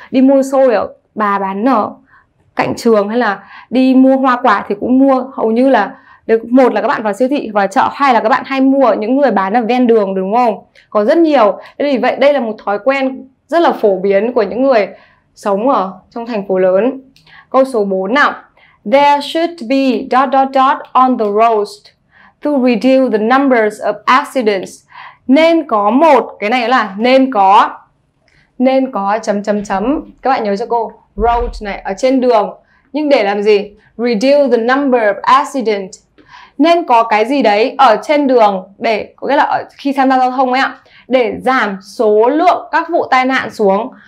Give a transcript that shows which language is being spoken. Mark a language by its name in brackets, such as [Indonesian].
[Vietnamese] Đi mua xôi ở bà bán ở cạnh trường, hay là đi mua hoa quả thì cũng mua hầu như là được, một là các bạn vào siêu thị vào chợ, hai là các bạn hay mua ở những người bán ở ven đường đúng không? Có rất nhiều. Nên vì vậy đây là một thói quen rất là phổ biến của những người sống ở trong thành phố lớn. Câu số 4 nào. [English] There should be dot dot dot on the roast to reduce the numbers of accidents. [Vietnamese] Nên có một, cái này là nên có chấm chấm chấm. Các bạn nhớ cho cô, road này ở trên đường. Nhưng để làm gì? [English] Reduce the number of accidents. [Vietnamese] Nên có cái gì đấy ở trên đường để, có nghĩa là khi tham gia giao thông ấy ạ, để giảm số lượng các vụ tai nạn xuống.